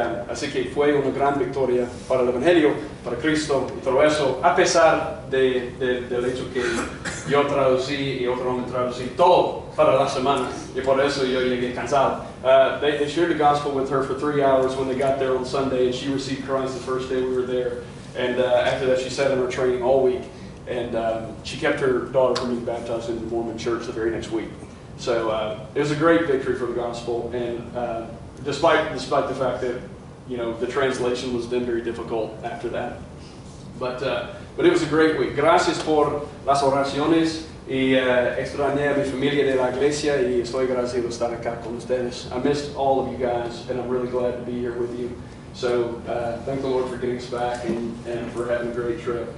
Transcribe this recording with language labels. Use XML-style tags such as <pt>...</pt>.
<es>Así que fue una gran victoria para el evangelio, para Cristo y todo eso, a pesar del hecho que yo traducí y otro hombre traducí todo para la semana, y por eso yo llegué cansado.</es> <en>They shared the gospel with her for 3 hours when they got there on Sunday, and she received Christ the first day we were there, and after that she sat in her training all week, and she kept her daughter from being baptized in the Mormon church the very next week. So it was a great victory for the gospel, and despite the fact that, you know, the translation was then very difficult after that. But it was a great week.</en> <es>Gracias por las oraciones, y extrañé a mi familia de la iglesia, y estoy agradecido de estar acá con ustedes.</es> <en>I missed all of you guys, and I'm really glad to be here with you. So thank the Lord for getting us back and for having a great trip.</en>